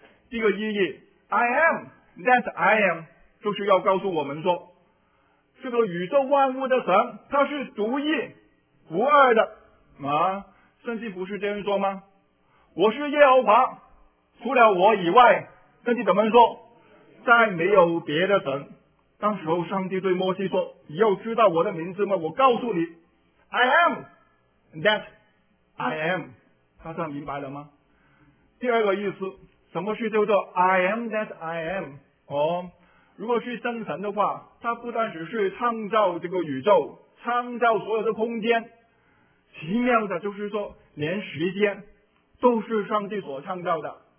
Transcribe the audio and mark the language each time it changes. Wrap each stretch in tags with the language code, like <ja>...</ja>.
<zh>第一个意义，</zh> <en>I am that I am，</en> <zh>就是要告诉我们说，这个宇宙万物的神他是独一无二的啊！圣经不是这样说吗？我是耶和华，除了我以外，圣经怎么说？再没有别的神。当时候上帝对摩西说，你要知道我的名字吗？我告诉你</zh> <en>I am that I am。</en> <zh>大家明白了吗？第二个意思，什么是叫做</zh> <en>I am that I am？</en> <zh>如果是真神的话，他不单只是创造这个宇宙，创造所有的空间，奇妙的就是说连时间都是上帝所创造的。</zh>